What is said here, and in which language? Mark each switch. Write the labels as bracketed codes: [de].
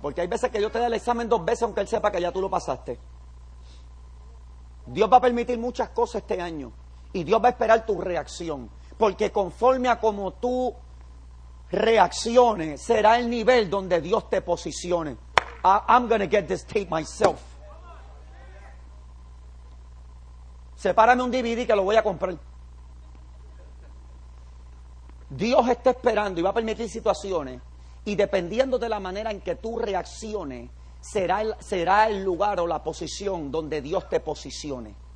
[es] Porque hay veces que Dios te da el examen dos veces aunque Él sepa que ya tú lo pasaste. Dios va a permitir muchas cosas este año y Dios va a esperar tu reacción, porque conforme a cómo tú reacciones será el nivel donde Dios te posicione. [en] I'm gonna get this tape myself. [es] Sepárame un DVD que lo voy a comprar. Dios está esperando y va a permitir situaciones, y dependiendo de la manera en que tú reacciones Será el lugar o la posición donde Dios te posicione.